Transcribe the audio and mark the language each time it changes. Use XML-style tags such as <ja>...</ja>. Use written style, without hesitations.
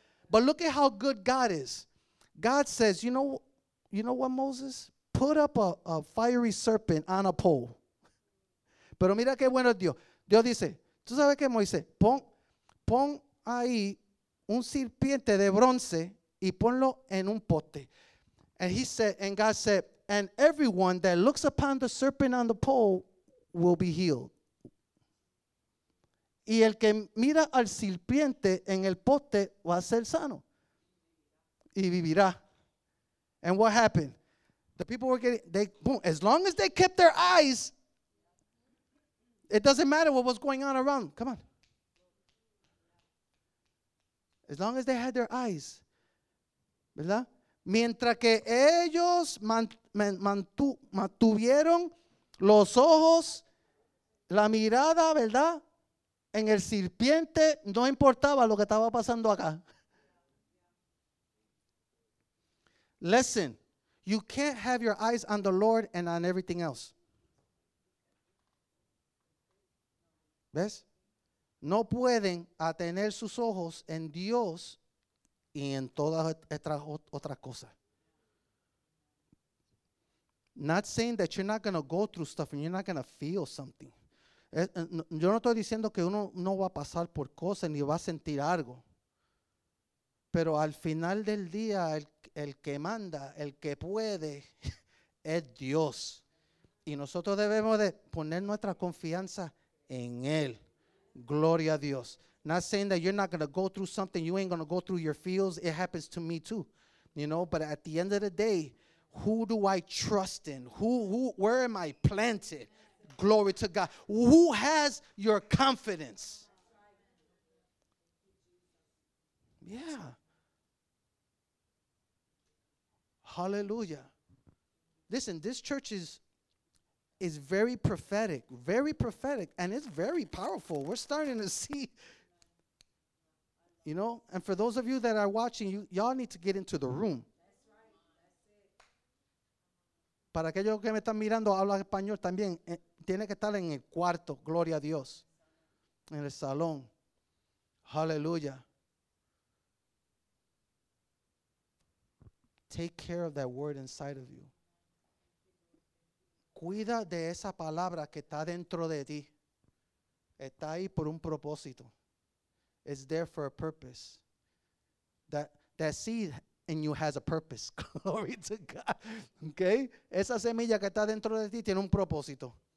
<en>But look at how good God is. God says, you know what, Moses? Put up a fiery serpent on a pole.</en> <es>Pero mira qué bueno es Dios. Dios dice, tú sabes que Moisés, pon ahí un serpiente de bronce y ponlo en un pote.</es> <en>And he said, and God said, and everyone that looks upon the serpent on the pole will be healed.</en> <es>Y el que mira al serpiente en el pote va a ser sano y vivirá.</es> <en>And what happened? The people were getting, they boom, as long as they kept their eyes, it doesn't matter what was going on around. Come on. As long as they had their eyes,</en> <es>¿verdad? Mientras que ellos mantuvieron los ojos, la mirada, ¿verdad? En el serpiente, no importaba lo que estaba pasando acá.</es> <en>Listen, you can't have your eyes on the Lord and on everything else.</en> <es>¿Ves? No pueden atener sus ojos en Dios y en todas estas otras cosas.</es> <en>Not saying that you're not going to go through stuff and you're not going to feel something.</en> <es>Yo no estoy diciendo que uno no va a pasar por cosas ni va a sentir algo. Pero al final del día, el que manda, el que puede, es Dios. Y nosotros debemos de poner nuestra confianza en Él. Gloria a Dios.</es> <en>Not saying that you're not going to go through something. You ain't going to go through your feels. It happens to me too. You know, but at the end of the day, who do I trust in? Who, where am I planted? Glory to God. Who has your confidence? Yeah. Hallelujah. Listen, this church is very prophetic, very prophetic, and it's very powerful. We're starting to see, you know, and for those of you that are watching, y'all need to get into the room.</en> <es>Para aquellos que me están mirando, habla español también. Tiene que estar en el cuarto, gloria a Dios, en el salón.</es> <en>Hallelujah. Take care of that word inside of you.</en> <es>Cuida de esa palabra que está dentro de ti. Está ahí por un propósito.</es> <en>It's there for a purpose. That seed in you has a purpose. Glory to God. Okay?</en> <es>Esa semilla que está dentro de ti tiene un propósito.</es>